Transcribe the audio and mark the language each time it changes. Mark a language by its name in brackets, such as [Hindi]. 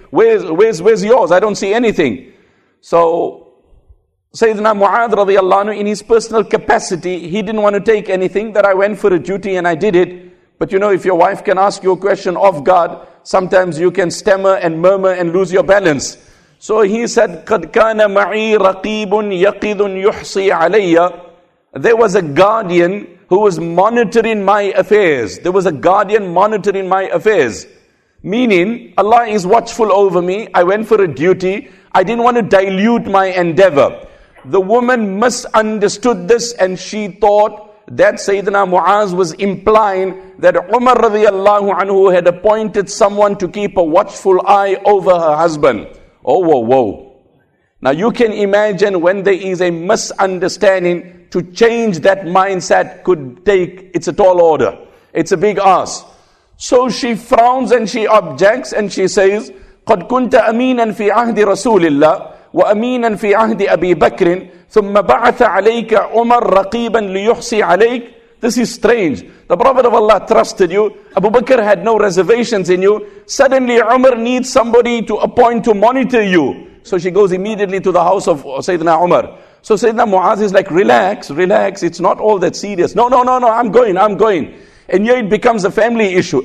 [English] Where's yours? I don't see anything. So Sayyidina Mu'adh radiallahu anhu, in his personal capacity, he didn't want to take anything, that I went for a duty and I did it. But you know, if your wife can ask you a question of God, sometimes you can stammer and murmur and lose your balance. So he said, [Arabic] قَدْ كَانَ مَعِي رَقِيبٌ يَقِذٌ يُحْصِي عَلَيَّ. [English] There was a guardian who was monitoring my affairs. There was a guardian monitoring my affairs. Meaning, Allah is watchful over me. I went for a duty. I didn't want to dilute my endeavor. The woman misunderstood this and she thought that Sayyidina Mu'az was implying that Umar radiallahu anhu had appointed someone to keep a watchful eye over her husband. Oh, whoa, whoa. Now you can imagine when there is a misunderstanding, to change that mindset could take, it's a tall order. It's a big ask. So she frowns and she objects and she says, [Arabic] قَدْ كُنْتَ أَمِينًا فِي عَهْدِ رَسُولِ اللَّهِ وَأَمِينًا فِي عَهْدِ أَبِي بَكْرٍ ثُمَّ بَعَثَ عَلَيْكَ عُمَرْ رَقِيبًا لِيُحْصِي عَلَيْكَ. [English] This is strange. The Prophet of Allah trusted you. Abu Bakr had no reservations in you. Suddenly Umar needs somebody to appoint to monitor you. So she goes immediately to the house of Sayyidina Umar. So Sayyidina Mu'az is like, relax, relax. It's not all that serious. No. I'm going. And yet it becomes a family issue.